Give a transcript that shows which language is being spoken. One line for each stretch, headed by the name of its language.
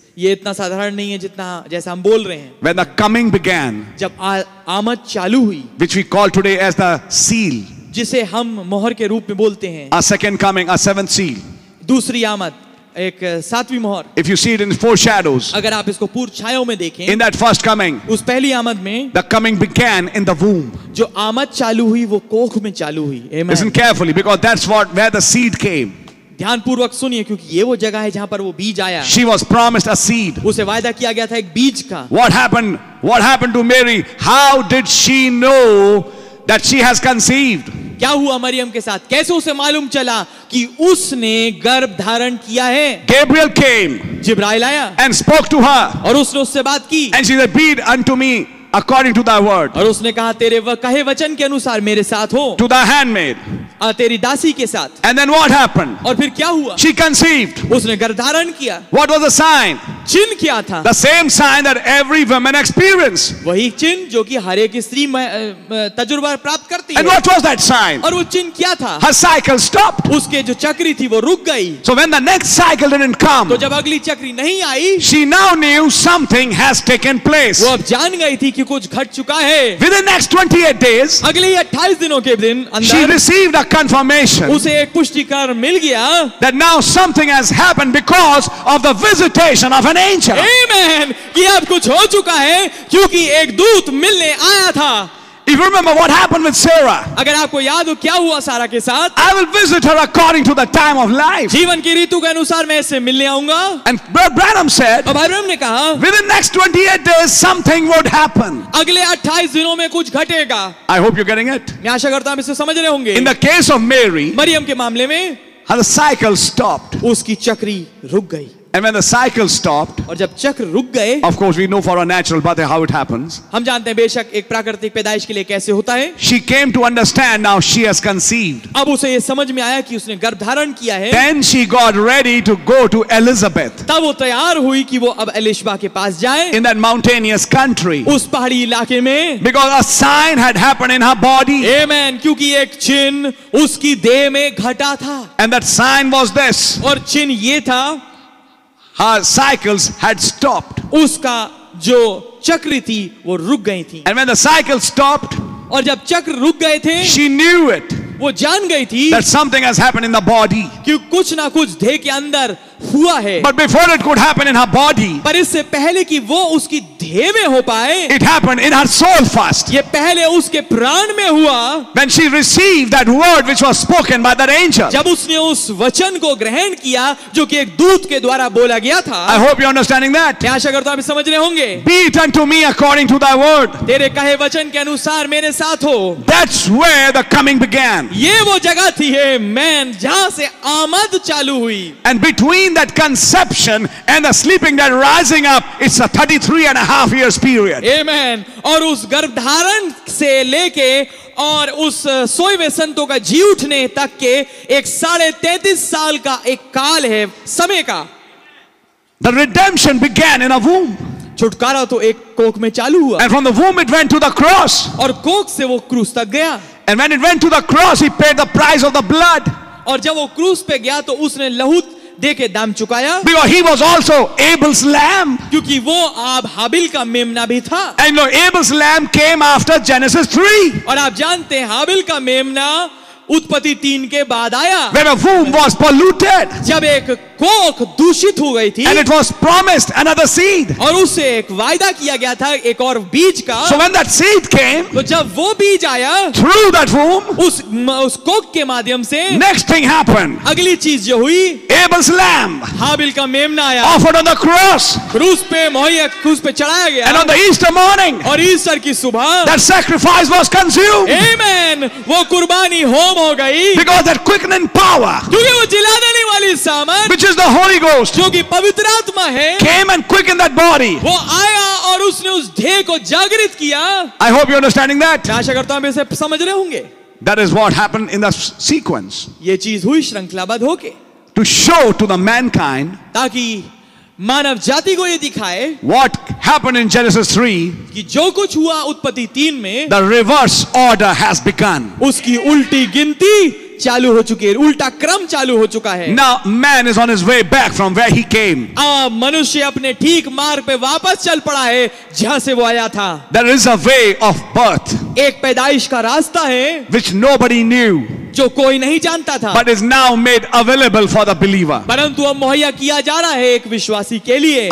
Hindi: ये इतना साधारण नहीं है जितना जैसे हम बोल रहे हैं.
English: When the coming began.
Hindi: जब आमद चालू हुई.
English: Which we call today as the seal.
Hindi: जिसे हम मोहर के रूप में बोलते हैं.
English: A second coming, a seventh seal.
Hindi: दूसरी आमद एक सातवीं मोहर.
English: If you see it in four shadows,
Hindi: अगर आप इसको पूर्व छायों में देखें,
English: in that first coming,
Hindi: उस पहली आमद में,
English: the coming began in the womb.
Hindi: जो आमद चालू हुई वो कोख में चालू हुई.
English: Amen. Listen carefully, because that's what where the seed came.
Hindi: ध्यान पूर्वक सुनिए क्योंकि ये वो जगह है जहाँ पर वो बीज आया.
English: She was promised a seed.
Hindi: उसे वायदा किया गया था एक बीज का.
English: What happened to Mary? How did she know that she has conceived?
Hindi: क्या हुआ मरियम के साथ? कैसे उसे मालूम चला कि उसने गर्भ धारण किया है?
English: Gabriel came.
Hindi: जिब्राइल आया.
English: And spoke to her.
Hindi: और उसने उससे बात की.
English: And she said, "Be it unto me according to thy word."
Hindi: और उसने कहा, तेरे कहे वचन के अनुसार मेरे साथ हो.
English: To the handmaid.
Hindi: तेरी दासी के साथ.
English: And then what happened?
Hindi: और फिर क्या हुआ?
English: She conceived.
Hindi: उसने गर्भ धारण किया.
English: What was the sign?
Hindi: चिन्ह क्या था?
English: The same sign that every woman experienced.
Hindi: वही चिन्ह जो कि हर एक स्त्री तजुर्बा प्राप्त करती है.
English: And what was that sign?
Hindi: और वो चिन्ह क्या था?
English: Her cycle stopped.
Hindi: उसके जो चक्री थी वो रुक गई.
English: So when the next cycle didn't come,
Hindi: तो जब अगली चक्री नहीं आई,
English: she now knew something has taken place.
Hindi: वो अब जान गई थी कि कुछ घट चुका है.
English: Within the next 28 days,
Hindi: अगले 28 दिनों के दिन अंदर,
English: she received a confirmation.
Hindi: उसे एक पुष्टिकरण मिल गया.
English: That now something has happened because of the visitation of an angel. Amen.
Hindi: कि अब कुछ हो चुका है क्योंकि एक दूत मिलने आया था.
English: If you remember what happened with Sarah,
Hindi: अगर आपको याद हो क्या हुआ सारा के साथ,
English: I will visit her according to the time of life.
Hindi: जीवन की ऋतु के अनुसार मैं इससे मिलने आऊंगा.
English: And Branham said,
Hindi: और ब्रैनम ने कहा,
English: within next 28 days something would happen.
Hindi: अगले 28 दिनों में कुछ घटेगा.
English: I hope you're getting it.
Hindi: मैं आशा करता हूं इसे समझ रहे होंगे.
English: In the case of Mary,
Hindi: Maryam के मामले में,
English: her cycle stopped.
Hindi: उसकी चक्री रुक गई.
English: And when the cycle stopped,
Hindi: और जब चक्र रुक गए,
English: of course we know for a natural birth how it happens.
Hindi: हम जानते हैं बेशक एक प्राकृतिक पैदाइश के लिए कैसे होता है.
English: She came to understand now she has conceived.
Hindi: अब उसे ये समझ में आया कि उसने गर्भ धारण किया है.
English: Then she got ready to go to Elizabeth.
Hindi: तब वो तैयार हुई कि वो अब एलिशबा के पास जाए.
English: In that mountainous country,
Hindi: उस पहाड़ी इलाके में,
English: because a sign had happened in her body. Amen.
Hindi: क्योंकि एक चिन्ह उसकी देह में घटा था.
English: And that sign was this.
Hindi: और चिन्ह ये था.
English: Her cycles had stopped.
Hindi: उसका जो चक्र थी वो रुक गई थी.
English: And when the cycle stopped,
Hindi: और जब चक्र रुक गए थे,
English: she knew it.
Hindi: वो जान गई थी
English: that something has happened in the body.
Hindi: कि कुछ ना कुछ देह के अंदर हुआ है.
English: But before it could happen in her body,
Hindi: पर इससे पहले कि वो उसकी देह में हो पाए,
English: it happened in her soul first.
Hindi: ये पहले उसके प्राण में हुआ.
English: When she received that word which was spoken by that angel,
Hindi: जब उसने उस वचन को ग्रहण किया जो कि एक दूत के द्वारा बोला गया था.
English: I hope you're understanding that.
Hindi: आशा करता हूँ आप समझ रहे होंगे.
English: Be it unto me according to thy word.
Hindi: तेरे कहे वचन के अनुसार मेरे साथ हो.
English: That's where the coming began.
Hindi: ये वो जगह थी है मैन जहां से आमद चालू हुई.
English: And between that conception and the sleeping that rising up, it's a 33 and a half years period. Amen.
Hindi: और उस गर्भ धारण से लेके और उस सोए हुए संतों का जी उठने तक के एक 33.5 साल का एक काल है समय का.
English: The redemption began in a womb.
Hindi: छुटकारा तो एक कोख में चालू हुआ.
English: And from the womb it went to the cross.
Hindi: और कोख से वो क्रूस तक गया.
English: And when it went to the cross, he paid the price of the blood.
Hindi: और जब वो क्रूस पे गया तो उसने लहू देके दाम चुकाया.
English: Because he was also Abel's lamb.
Hindi: क्योंकि वो आप हाबिल का मेमना भी था.
English: And you know, Abel's lamb came after Genesis 3.
Hindi: और आप जानते हैं हाबिल का मेमना उत्पत्ति 3 के बाद आया.
English: When a womb was polluted.
Hindi: जब एक कोख दूषित हो गई थी.
English: And it was promised another seed.
Hindi: और उसे एक वायदा किया गया था एक और बीज का.
English: So when that seed came,
Hindi: तो जब वो बीज आया,
English: through that womb,
Hindi: उस कोख के माध्यम से,
English: next thing happened,
Hindi: अगली चीज जो हुई,
English: Abel's lamb,
Hindi: हाबिल का मेमना आया,
English: offered on the cross,
Hindi: क्रूस पे मोहिया क्रूस पे चढ़ाया गया,
English: and on the Easter morning,
Hindi: और ईस्टर की सुबह,
English: that sacrifice was consumed,
Hindi: amen, वो कुर्बानी होम हो गई,
English: because that quickening power,
Hindi: क्योंकि वो जिला देने वाली सामर्थ्य,
English: which is the Holy Ghost,
Hindi: जो कि पवित्र आत्मा है,
English: came and quickened that body,
Hindi: वो आया और उसने उस देह को जागृत किया.
English: I hope you're understanding that.
Hindi: आशा करता हूँ आप इसे समझ रहे होंगे.
English: That is what happened in the sequence.
Hindi: ये चीज हुई श्रृंखलाबद्ध होके.
English: To show to the mankind,
Hindi: ताकि मानव जाति को ये दिखाए,
English: what happened in Genesis 3,
Hindi: कि जो कुछ हुआ उत्पत्ति 3 में,
English: the reverse order has begun.
Hindi: उसकी उल्टी गिनती चालू हो चुकी है, उल्टा क्रम चालू हो चुका है.
English: Now man is on his way back from where he came.
Hindi: मनुष्य अपने ठीक मार्ग पे वापस चल पड़ा है जहां से वो आया था.
English: There is a way of birth.
Hindi: एक पैदाइश का रास्ता है
English: which nobody knew.
Hindi: जो कोई नहीं जानता था
English: but is now made available for the believer
Hindi: परंतु अब मुहैया किया जा रहा है एक विश्वासी के लिए